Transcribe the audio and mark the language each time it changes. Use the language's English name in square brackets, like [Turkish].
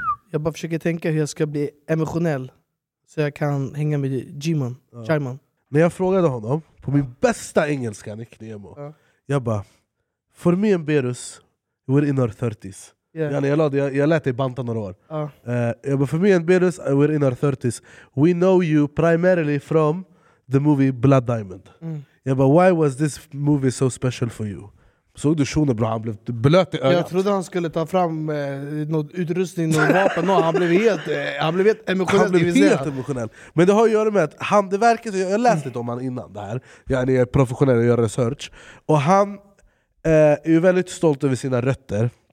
[Swedish] Jag bara försöker tänka hur jag ska bli emotionell så jag kan hänga med Djimon. Ja. När jag frågade honom på min bästa engelska, Nick Nemo, jag bara, [English] for me and Berus, we're in our 30s. Yeah. [Swedish] Jag lät dig banta några år. Jag bara, [English] for me and Berus, we're in our 30s. We know you primarily from the movie Blood Diamond. Mm. [Swedish] Jag bara, [English] why was this movie so special for you? [Swedish] Såg du Shona, bro? Han blev blöt i ögat. Jag trodde han skulle ta fram något utrustning, något vapen. [English] No, [Swedish] han blev helt emotionell. Han blev helt emotionell. Men det har att göra med att handverket, jag läste lite om han innan det här. Jag är professionell och gör research. Och han är ju väldigt stolt över sina rötter.